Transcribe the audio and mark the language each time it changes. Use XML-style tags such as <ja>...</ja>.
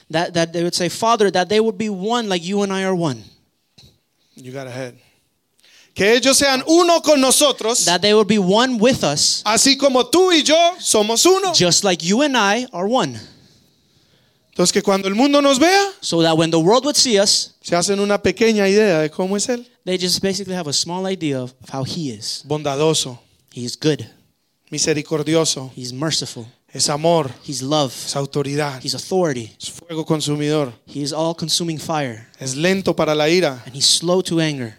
<en>That they would say, Father, that they would be one like you and I are one. You got ahead.</en> <es>Que ellos sean uno con nosotros.</es> <en>That they would be one with us.</en> <es>Así como tú y yo somos uno.</es> <en>Just like you and I are one.</en> <es>Entonces que cuando el mundo nos vea,</es> <en>so that when the world would see us,</en> <es>se hacen una pequeña idea de cómo es él.</es> <en>They just basically have a small idea of how he is.</en> <es>Bondadoso.</es> <en>He is good.</en> <es>Misericordioso.</es> <en>He is merciful.</en> <es>Es amor.</es> <en>He is love.</en> <es>Es autoridad.</es> <en>He is authority.</en> <es>Es fuego consumidor.</es> <en>He is all consuming fire.</en> <es>Es lento para la ira.</es> <en>And he is slow to anger.</en>